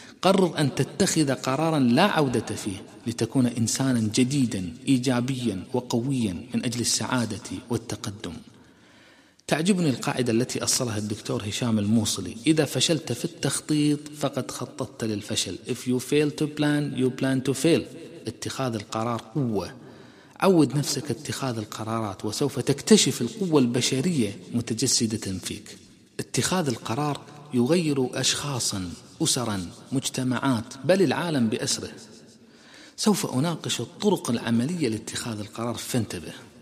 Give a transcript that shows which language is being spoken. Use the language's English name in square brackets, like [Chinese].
[Arabic] قرر أن تتخذ قرارا لا عودة فيه، لتكون إنسانا جديدا إيجابيا وقويا من أجل السعادة والتقدم. تعجبني القاعدة التي أصلها الدكتور هشام الموصلي: إذا فشلت في التخطيط فقد خططت للفشل. [English] If you fail to plan, you plan to fail. [Arabic] اتخاذ القرار قوة. عود نفسك اتخاذ القرارات وسوف تكتشف القوة البشرية متجسدة فيك. اتخاذ القرار يغير أشخاصا، أسرا، مجتمعات، بل العالم بأسره. سوف أناقش الطرق العملية لاتخاذ القرار، فانتبه.